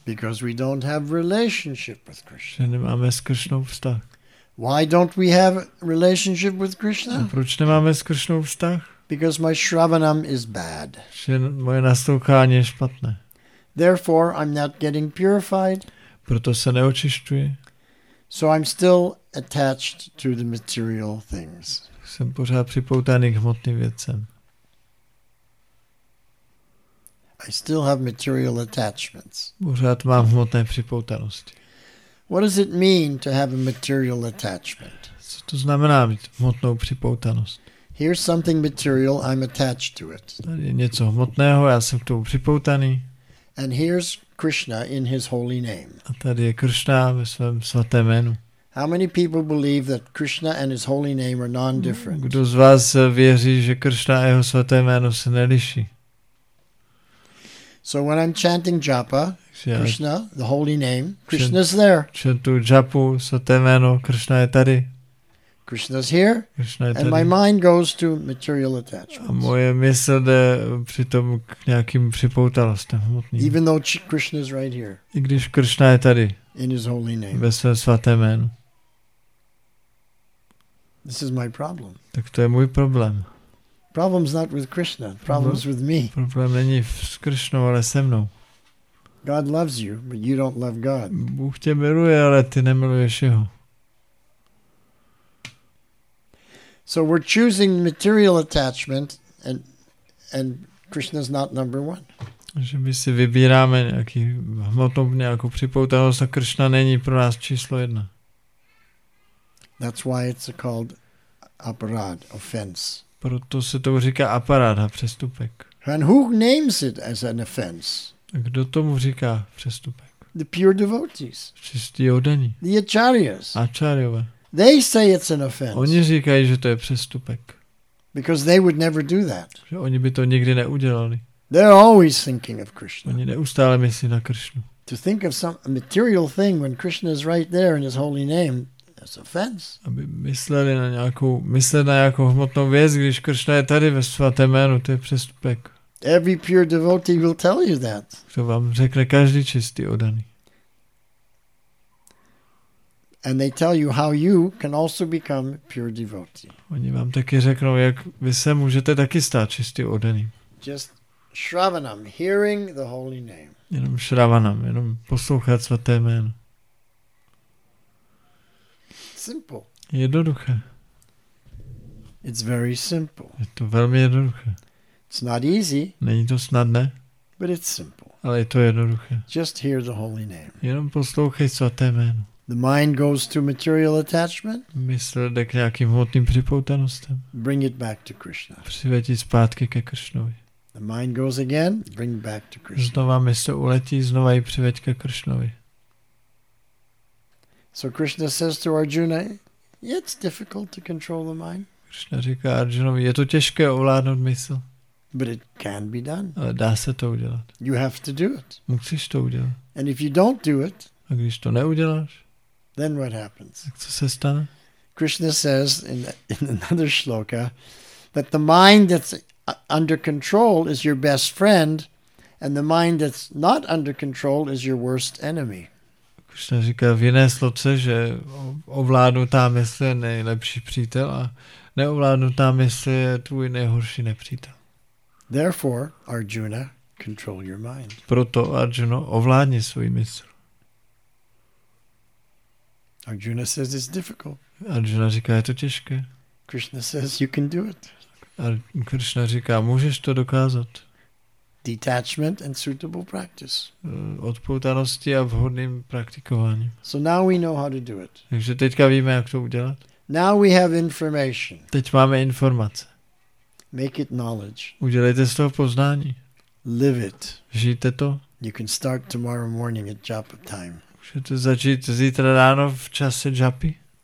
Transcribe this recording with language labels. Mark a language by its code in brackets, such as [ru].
[en] Because we don't have relationship with Krishna. [cs] Že nemáme s Krishnou vztah. [en] Why don't we have relationship with Krishna? [cs] A proč nemáme s Krishnou vztah? [en] Because my shravanam is bad. [cs] Že moje naslouchání je špatné. [en] Therefore I'm not getting purified. [cs] Proto se neočišťuji. [en] So I'm still attached to the material things. [cs] Jsem pořád připoutaný k hmotným věcem. [en] I still have material attachments. [cs] Pořád mám hmotné připoutanosti. [en] What does it mean to have a material attachment? [cs] Co to znamená mít hmotnou připoutanost? [en] Here's something material, I'm attached to it. [cs] Tady je něco hmotného, já jsem k tomu připoutaný. [en] And here's Krishna in his holy name. [cs] A tady je Krishna ve svém svatém jménu. [en] How many people believe that Krishna and his holy name are non-different? [cs] Kdo z vás věří, že Krishna a jeho svaté jméno se neliší? [en] So when I'm chanting japa, Krishna, the holy name, Krishna's there. [cs] Chantu japu, svaté jméno, Krishna je tady. [en] Krishna's here, [cs] Krishna je [en] and [cs] tady. [en] My mind goes to material attachments. [cs] A moje mysl jde přitom k nějakým připoutalostem hmotným. [en] Even though Krishna's right here. [cs] I když Krishna je tady. [en] In his holy name. [cs] Ve svém svaté jménu. [en] This is my problem. [cs] Tak to je můj problém. [en] Problem's not with Krishna. Problem's with me. [cs] Problém není s Krishnou, ale se mnou. [en] God loves you, but you don't love God. [cs] Bůh tě miluje, ale ty nemiluješ jeho. [en] So we're choosing material attachment, and Krishna's not number one. [cs] Že my si vybíráme nějaký hmotnou nějakou připoutanost a Krishna není pro nás číslo jedna. [en] That's why it's called aparad, offense. [cs] Proto se tomu říká aparáda, přestupek. [en] And who names it as an offense? [cs] Kdo tomu říká přestupek? [en] The pure devotees. [cs] Čistí oddaní. [en] The acharyas. [cs] Acharyové. [en] They say it's an offense. [cs] Oni říkají, že to je přestupek. [en] Because they would never do that. [cs] Že oni by to nikdy neudělali. [en] They're always thinking of Krishna. [cs] Oni neustále myslí na Krishnu. [en] To think of some material thing when Krishna is right there in his holy name, that's offense. [cs] Aby mysleli na nějakou, myslet na nějakou hmotnou věc, když Krishna je tady ve svatém jménu, to je přestupek. [en] Every pure devotee will tell you that. [cs] To vám řekne každý čistý oddaný. [en] And they tell you how you can also become pure devotee. [cs] Oni vám taky řeknou, jak vy se můžete taky stát čistý oddaný. [en] Just shravanam, hearing the holy name. [cs] Jenom shravanam, jenom poslouchat svaté jméno. [en] Simple. [cs] Jednoduché. [en] It's very simple. [cs] Je to velmi jednoduché. [en] It's not easy. [cs] Není to snadné. [en] But it's simple. [cs] Ale je to jednoduché. [en] Just hear the holy name. [cs] Jenom poslouchej svaté jméno. [en] The mind goes to material attachment. [cs] Mysl jde k nějakým hmotným připoutanostem. [en] Bring it back to Krishna. [cs] Přiveď ji zpátky ke Krishnovi. [en] The mind goes again, bring back to Krishna. [cs] Znova mysl uletí, znova ji přiveď ke Krishnovi. [en] So Krishna says to Arjuna, it's difficult to control the mind. [cs] Krishna říká Arjunovi, je to těžké ovládnout mysl. [en] But it can be done. [cs] Ale dá se to udělat. [en] You have to do it. [cs] Musíš to udělat. [en] And if you don't do it, [cs] a když to neuděláš, [en] then what happens? [cs] Tak co se stane? [en] Krishna says in another shloka that the mind that's under control is your best friend and the mind that's not under control is your worst enemy. [cs] Krishna říká v jiné sloce, že ovládnutá mysl je nejlepší přítel a neovládnutá mysl je tvůj nejhorší nepřítel. [en] Therefore, Arjuna, control your mind. [cs] Proto Arjuna, ovládni svůj mysl. [en] Arjuna says it's difficult. [cs] Arjuna říká, je to těžké. [en] Krishna says you can do it. [cs] Krishna říká, můžeš to dokázat. [en] Detachment and suitable practice. [cs] Odpoutanosti a vhodným praktikováním. [en] So now we know how to do it. [cs] Takže teďka víme, jak to udělat. [en] Now we have information. [cs] Teď máme informace. [en] Make it knowledge. [cs] Udělejte z toho poznání. [en] Live it. [cs] Žijte to. [en] You can start tomorrow morning at japa time. [cs] Můžete začít zítra ráno v čase Japy?